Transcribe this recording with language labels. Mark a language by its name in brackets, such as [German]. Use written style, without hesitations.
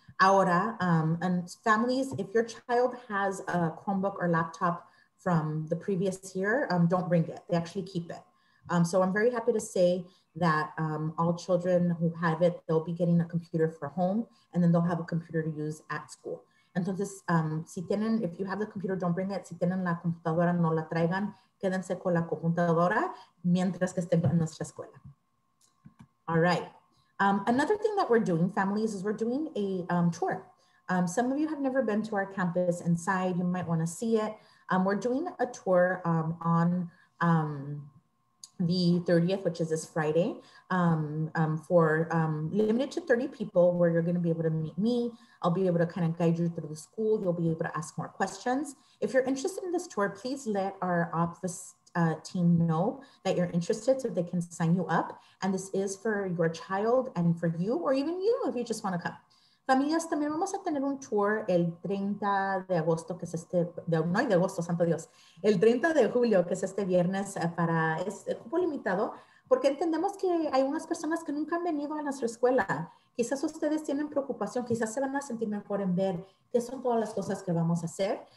[English] Ahora, and families, if your child has a Chromebook or laptop from the previous year, don't bring it, they actually keep it. So I'm very happy to say that all children who have it, they'll be getting a computer for home, and then they'll have a computer to use at school. Entonces, if you have the computer, don't bring it. [Spanish] Si tienen la computadora, no la traigan. Quédense con la computadora mientras que estén en nuestra escuela. [English] All right. Another thing that we're doing, families, is we're doing a tour. Some of you have never been to our campus inside. You might want to see it. We're doing a tour on the 30th, which is this Friday, limited to 30 people, where you're going to be able to meet me. I'll be able to kind of guide you through the school. You'll be able to ask more questions. If you're interested in this tour, please let our office team know that you're interested so they can sign you up. And this is for your child and for you, or even you, if you just want to come. [Spanish] Familias, también vamos a tener un tour el 30 de agosto, que es el 30 de julio, que es este viernes, para, es cupo limitado, porque entendemos que hay unas personas que nunca han venido a nuestra escuela. Quizás ustedes tienen preocupación, quizás se van a sentir mejor en ver qué son todas las cosas que vamos a hacer.